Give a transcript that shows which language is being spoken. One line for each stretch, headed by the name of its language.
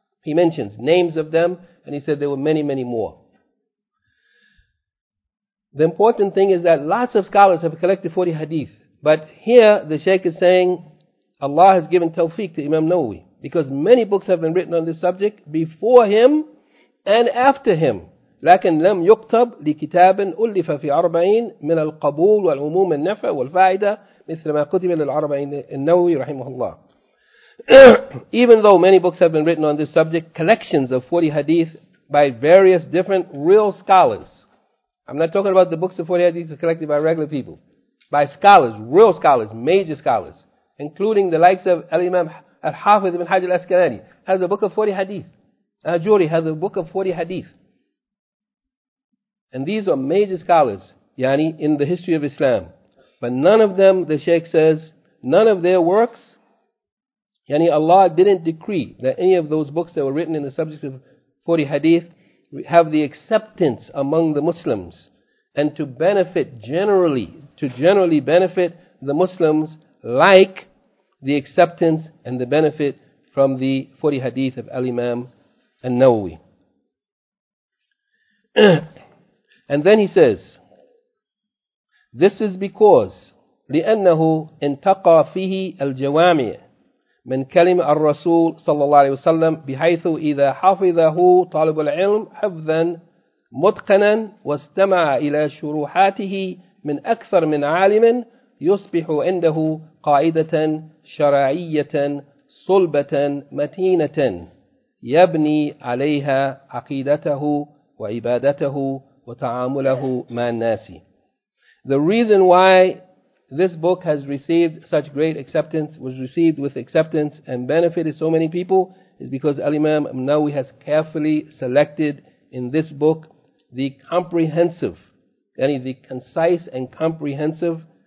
English: He mentions names of them, and he said there were many, many more. The important thing is that lots of scholars have collected 40 hadith. But here the Shaykh is saying Allah has given tawfiq to Imam Nawawi, because many books have been written on this subject before him and after him.
Arabic: لكن لم يكتب لكتاب ألف في أربعين من القبول والعموم النفع والفائدة مثل ما كتب للعربين النووي رحمه الله.
English: Even though many books have been written on this subject, collections of 40 hadith by various different real scholars. I'm not talking about the books of 40 hadith collected by regular people. By scholars, real scholars, major scholars, including the likes of Al-Imam Al-Hafidh ibn Hajar al-Asqalani, has a book of 40 hadith. Al-Juri has a book of 40 hadith. And these are major scholars, yani, in the history of Islam. But none of them, the Shaykh says, none of their works, yani, Allah didn't decree that any of those books that were written in the subject of 40 hadith have the acceptance among the Muslims and to benefit generally, to generally benefit the Muslims like the acceptance and the benefit from the 40 hadith of Al-Imam An-Nawawi. And then he says, this is because
Arabic: لأنه انتقى فيه الجوامع من كلم الرسول صلى الله عليه وسلم بحيث إذا حفظه طالب العلم حفظا متقنا واستمع إلى شروحاته من أكثر من عالم يصبح عنده قاعدة شرعية صلبة متينة يبني عليها عقيدته وعبادته وَتَعَامُلَهُ مَا النَّاسِ.
English: The reason why this book has received such great acceptance, was received with acceptance and benefited so many people, is because Al-Imam An-Nawawi has carefully selected in this book the comprehensive, yani the concise and comprehensive